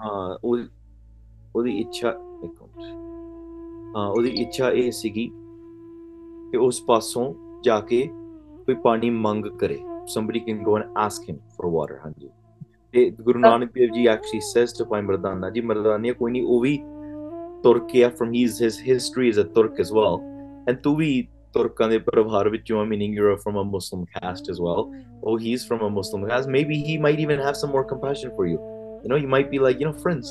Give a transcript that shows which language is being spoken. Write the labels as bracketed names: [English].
[Punjabi] ਹਾਂ, ਉਹਦੀ ਇੱਛਾ, ਹਾਂ ਉਹਦੀ ਇੱਛਾ ਇਹ ਸੀਗੀ ਕਿ ਉਸ ਪਾਸੋਂ ਜਾ ਕੇ ਕੋਈ ਪਾਣੀ ਮੰਗ ਕਰੇ. [English] Somebody can go and ask him for water. [Punjabi] ਹਾਂਜੀ. [English] ਤੇ Guru Nanak Dev ji actually says to Bhai Mardana ji, Mardana, [Punjabi] ਕੋਈ ਨਹੀਂ, ਉਹ ਵੀ ਤੁਰਕ ਆ, [English] from his history is a Turk as well, and [Punjabi] ਤੂੰ ਵੀ ਤੁਰਕਾਂ ਦੇ ਪਰਿਵਾਰ ਵਿੱਚੋਂ, [English] meaning you are from a Muslim caste as well. Oh, he is from a Muslim caste. Maybe he might even have some more compassion for you. You know, you might be like, you know, friends.